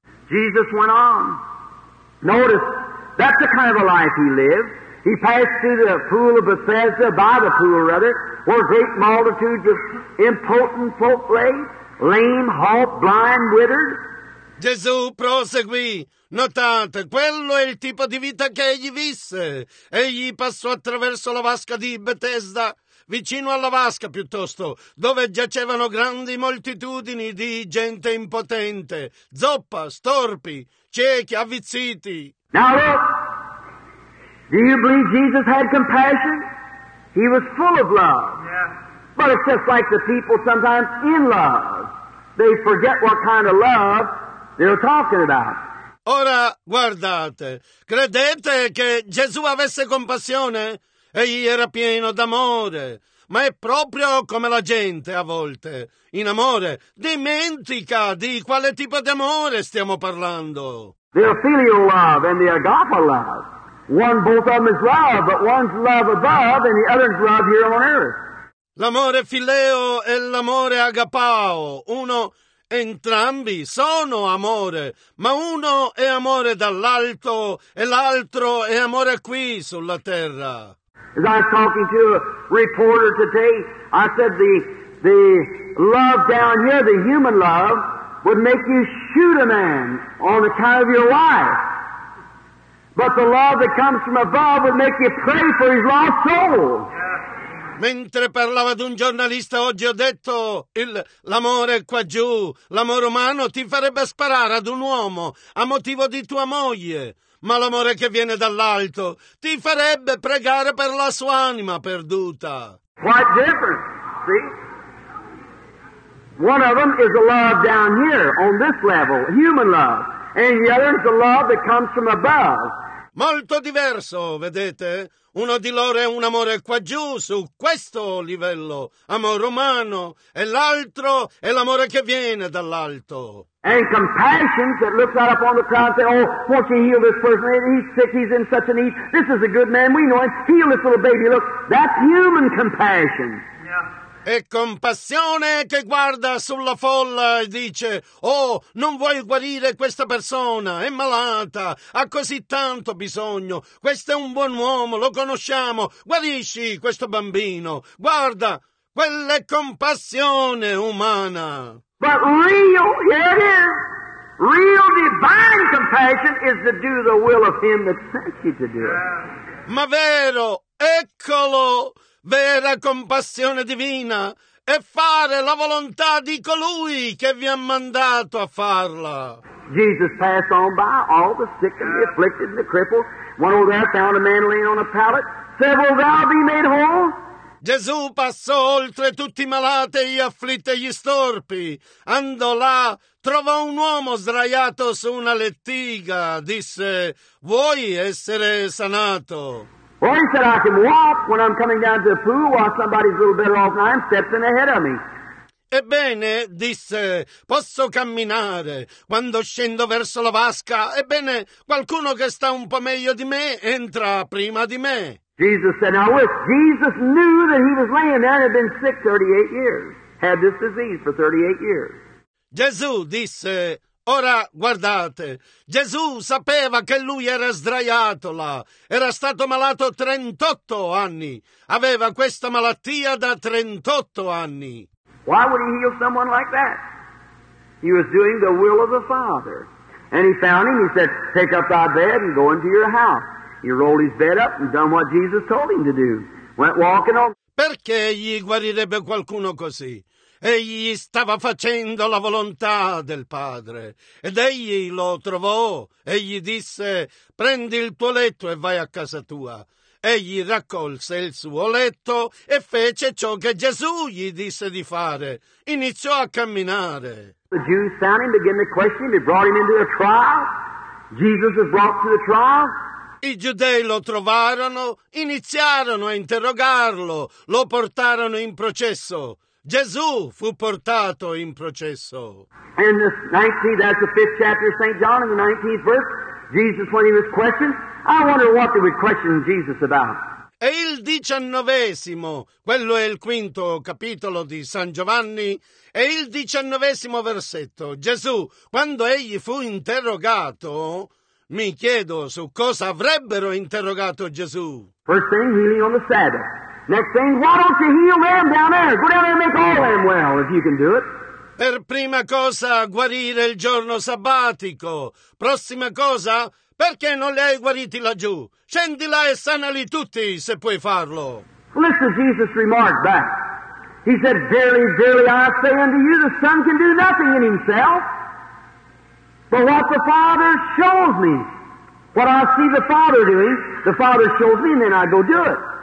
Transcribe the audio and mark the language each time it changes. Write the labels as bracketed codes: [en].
[en] Jesus went on. Notice, that's the kind of a life he lived. He passed through the pool of Bethesda, by the pool rather, where great multitudes of impotent folk lay, lame, halt, blind, withered. [it] Gesù proseguì. Notate, quello è il tipo di vita che egli visse. Egli passò attraverso la vasca di Bethesda, vicino alla vasca piuttosto, dove giacevano grandi moltitudini di gente impotente, zoppa, storpi, ciechi, avvizziti. [en] Now look, do you believe Jesus had compassion? He was full of love. Yeah. But it's just like the people sometimes in love. They forget what kind of love they're talking about. [it] Ora, guardate, credete che Gesù avesse compassione? Egli era pieno d'amore, ma è proprio come la gente a volte, in amore, dimentica di quale tipo di amore stiamo parlando. [en] The filial love and the agape love. One both of them is love, but one's love above and the other's love here on earth. [it] L'amore fileo e l'amore agapao, uno... Entrambi sono amore, ma uno è amore dall'alto e l'altro è amore qui sulla terra. [en] As I was talking to a reporter today, I said the love down here, the human love, would make you shoot a man on account of your life. But the love that comes from above would make you pray for his lost soul. [it] Mentre parlavo ad un giornalista oggi ho detto l'amore qua giù, l'amore umano ti farebbe sparare ad un uomo a motivo di tua moglie, ma l'amore che viene dall'alto ti farebbe pregare per la sua anima perduta. [en] Quite different, see? One of them is a love down here, on this level, human love, and the other is a love that comes from above. [it] Molto diverso, vedete? Uno di loro è un amore qua giù, su questo livello, amore umano, e l'altro è l'amore che viene dall'alto. [en] And compassion that looks out upon the crowd and says, oh, won't you heal this person? He's sick. He's in such a need. This is a good man. We know him. Heal this little baby. Look, that's human compassion. Yeah. [it] E compassione che guarda sulla folla e dice, oh, non vuoi guarire questa persona, è malata, ha così tanto bisogno, questo è un buon uomo, lo conosciamo, guarisci questo bambino, guarda, quella è compassione umana. [en] But real, here it is, real divine compassion is to do the will of him that sent you to do it. [it] Ma vero, eccolo! Vera compassione divina è fare la volontà di colui che vi ha mandato a farla. [en] Jesus passed on by all the sick and the afflicted and the crippled. One over there found a man laying on a pallet. Said, will thou be made whole? [it] Gesù passò oltre tutti i malati, gli afflitti e gli storpi. Andò là, trovò un uomo sdraiato su una lettiga. Disse, vuoi essere sanato? [en] Or he said, I can walk when I'm coming down to the pool while somebody's a little better off than I am, steps in ahead of me. [it] Ebbene, disse, posso camminare quando scendo verso la vasca. Ebbene, qualcuno che sta un po' meglio di me entra prima di me. [en] Jesus said, now look, Jesus knew that he was laying there and had been sick 38 years, had this disease for 38 years. [it] Gesù disse, ora guardate, Gesù sapeva che lui era sdraiato là, era stato malato 38 anni, aveva questa malattia da 38 anni. [en] Why would he heal someone like that? He was doing the will of the Father. And he found him, he said, take up thy bed and go into your house. He rolled his bed up and done what Jesus told him to do. Went walking on. [it] Perché gli guarirebbe qualcuno così? Egli stava facendo la volontà del Padre, ed egli lo trovò, e gli disse, prendi il tuo letto e vai a casa tua. Egli raccolse il suo letto e fece ciò che Gesù gli disse di fare. Iniziò a camminare. [en] The Jews found him, began to question him, they brought him into a trial. Jesus was brought to the trial. [it] I giudei lo trovarono, iniziarono a interrogarlo, lo portarono in processo. Gesù fu portato in processo. [en] In the 19th, that's the 5th chapter of St. John, in the 19th verse, Jesus, when he was questioned, I wonder what they would question Jesus about. [it] E il 19esimo, quello è il 5° capitolo di San Giovanni, e il 19esimo versetto, Gesù, quando egli fu interrogato, mi chiedo su cosa avrebbero interrogato Gesù. [en] First thing, healing on the Sabbath. Next thing, why don't you heal them down there? Go down there and make all them well, if you can do it. [it] Per prima cosa, guarire il giorno sabbatico. Prossima cosa, perché non li hai guariti laggiù? Scendi là e sanali tutti, se puoi farlo. [en] Listen, Jesus remarked back. He said, verily, verily, I say unto you, the Son can do nothing in himself. But what the Father shows me, what I see the Father doing, the Father shows me, and then I go do it.